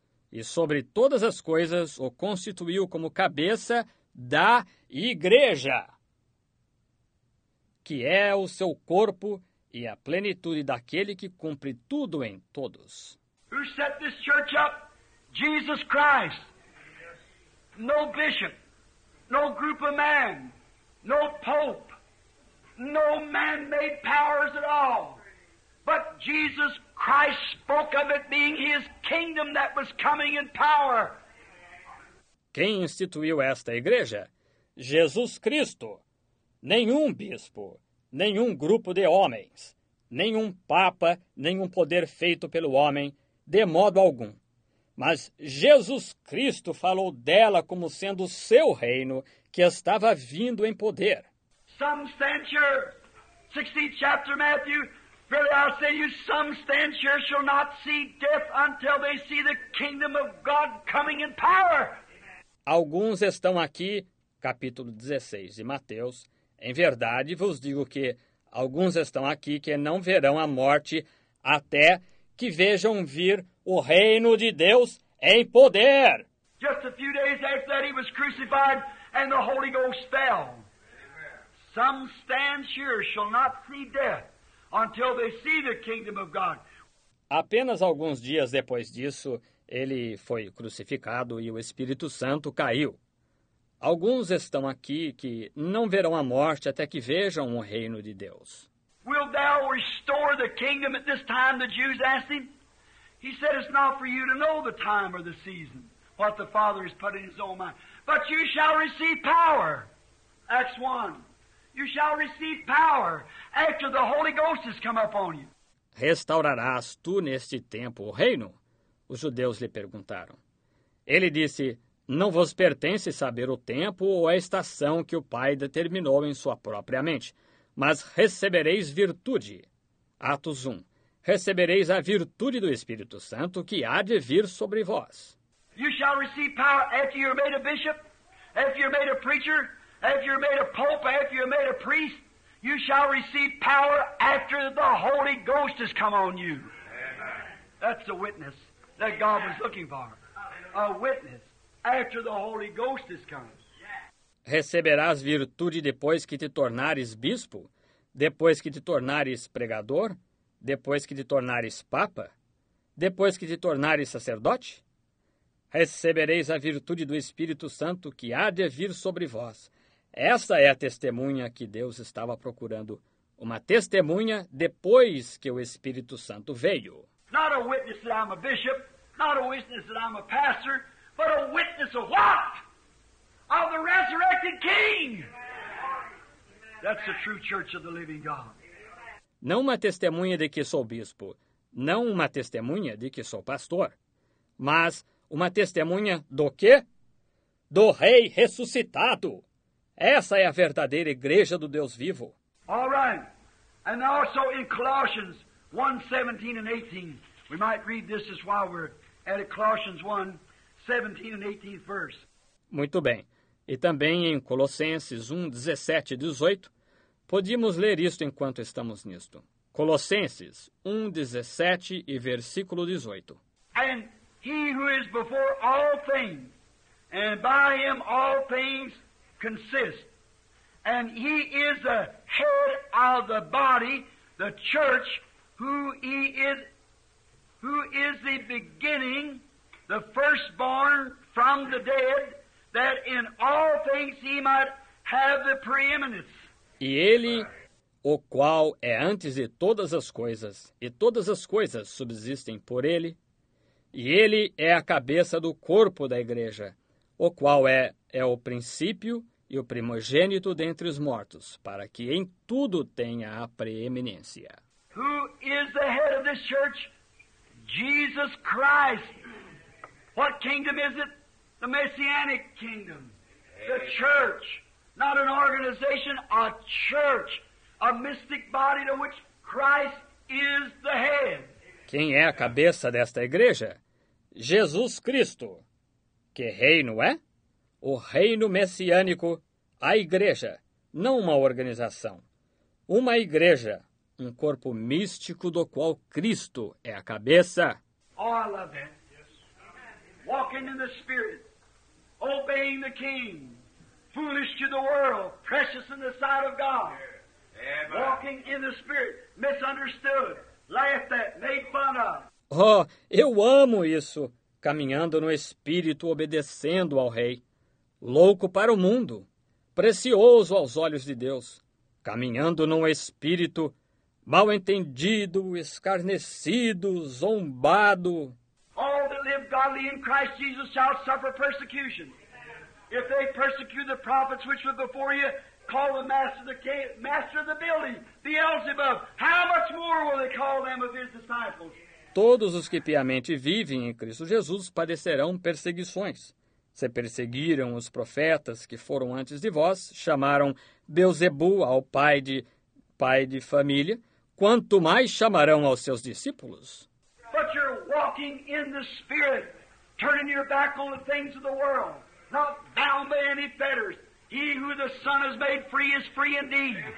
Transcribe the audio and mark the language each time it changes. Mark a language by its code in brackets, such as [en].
[pt] E sobre todas as coisas o constituiu como cabeça da igreja, que é o seu corpo e a plenitude daquele que cumpre tudo em todos. [en] Who set this church up? Jesus Christ. No bishop, no group of man, no pope, no man-made powers at all. But Jesus Christ spoke of it being his kingdom that was coming in power. [pt] Quem instituiu esta igreja? Jesus Cristo. Nenhum bispo, nenhum grupo de homens, nenhum papa, nenhum poder feito pelo homem, de modo algum. Mas Jesus Cristo falou dela como sendo o seu reino que estava vindo em poder. [en] Some stand here, 16th chapter Matthew. Verily I say you, some stand here shall not see death until they see the kingdom of God coming in power. [pt] Alguns estão aqui, capítulo 16 de Mateus. Em verdade, vos digo que alguns estão aqui que não verão a morte até que vejam vir o reino de Deus em poder. [en] Just a few days after that he was crucified and the Holy Ghost fell. Amen. Some stand here shall not see death until they see the kingdom of God. [pt] Apenas alguns dias depois disso, ele foi crucificado e o Espírito Santo caiu. Alguns estão aqui que não verão a morte até que vejam o reino de Deus. [en] Will thou restore the kingdom at this time, the Jews asked him? He said, it's not for you to know the time or the season, what the Father has put in his own mind. But you shall receive power. Acts 1. You shall receive power after the Holy Ghost has come upon you. [pt] Restaurarás tu neste tempo o reino? Os judeus lhe perguntaram. Ele disse, não vos pertence saber o tempo ou a estação que o Pai determinou em sua própria mente, mas recebereis virtude. Atos 1. Recebereis a virtude do Espírito Santo que há de vir sobre vós. [en] You shall receive power after you're made a bishop, after you're made a preacher, after you're made a pope, after you're made a priest. You shall receive power after the Holy Ghost has come on you. Amen. That's the witness that God was looking for. A witness after the Holy Ghost has come. [pt] Receberás virtude depois que te tornares bispo? Depois que te tornares pregador? Depois que te tornares papa? Depois que te tornares sacerdote? Recebereis a virtude do Espírito Santo que há de vir sobre vós. Essa é a testemunha que Deus estava procurando. Uma testemunha depois que o Espírito Santo veio. Não [en] a witness that I'm a bishop, not a witness that I'm a pastor, but a witness of what? Of the resurrected King. That's the true church of the living God. [pt] Não uma testemunha de que sou bispo, não uma testemunha de que sou pastor, mas uma testemunha do quê? Do Rei ressuscitado. Essa é a verdadeira igreja do Deus vivo. [en] All right. And also in Colossians 1, 17 and 18, we might read this as while we're at it, Colossians 1, 17 and 18 verse. [pt] Muito bem. E também em Colossenses 1, 17 e 18, podemos ler isto enquanto estamos nisto. Colossenses 1, 17 e versículo 18. [en] And he who is before all things, and by him all things consist, and he is the head of the body, the church, who is the beginning, the firstborn from the dead, that in all things he might have the preeminence. [pt] E ele, o qual é antes de todas as coisas, e todas as coisas subsistem por ele, e ele é a cabeça do corpo da igreja, o qual é o princípio e o primogênito dentre os mortos, para que em tudo tenha a preeminência. [en] Who is the head of this church? Jesus Christ. What kingdom is it? The Messianic Kingdom. The church. Not an organization, a church. A mystic body to which Christ is the head. [pt] Quem é a cabeça desta igreja? Jesus Cristo. Que reino é? O reino messiânico, a igreja, não uma organização. Uma igreja, um corpo místico do qual Cristo é a cabeça. [en] Oh, I love that. Walking in the Spirit, obeying the King, foolish to the world, precious in the sight of God. Walking in the Spirit, misunderstood, laughed at, made fun of. [pt] Oh, eu amo isso, caminhando no Espírito, obedecendo ao Rei. Louco para o mundo, precioso aos olhos de Deus, caminhando num espírito mal entendido, escarnecido, zombado. [en] All that live godly in Christ Jesus shall suffer persecution. If they persecute the prophets which were before you, call the master of the building, Beelzebub. How much more will they call them of his disciples? [pt] Todos os que piamente vivem em Cristo Jesus padecerão perseguições. Se perseguiram os profetas que foram antes de vós, chamaram Beelzebu ao pai de família, quanto mais chamarão aos seus discípulos? [en] But you're walking in the Spirit, turning your back on the things of the world, not bound by any fetters. He who the Son has made free is free indeed.